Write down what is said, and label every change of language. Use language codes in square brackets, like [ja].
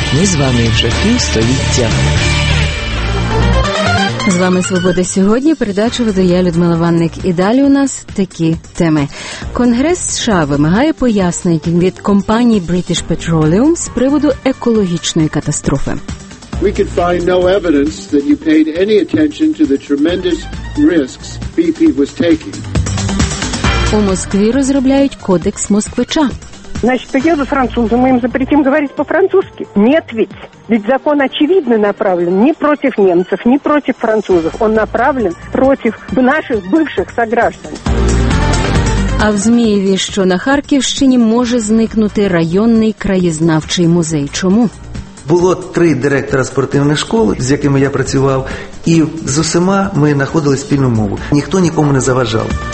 [uk] Ми з вами вже півстоліття. З вами «Свобода сьогодні». Передачу ведує Людмила Ванник. І далі у нас такі теми. Конгрес США вимагає пояснень від компанії British Petroleum з приводу екологічної катастрофи. [en] We could find no evidence that you paid any attention to the tremendous risks BP was taking. [uk] У Москві розробляють кодекс москвича. Значить, поїду французом, їм запретим говорити по-французьки. [ru] Нет ведь. Ведь закон очевидно направлен не против немцев, не против французов. Он направлен против наших бывших сограждан. [uk] А в Змієві, що на Харківщині, може зникнути районний краєзнавчий музей. Чому? Було три директора спортивних школ, з якими я працював, і з усіма ми знаходили спільну мову. Ніхто нікому не заважав.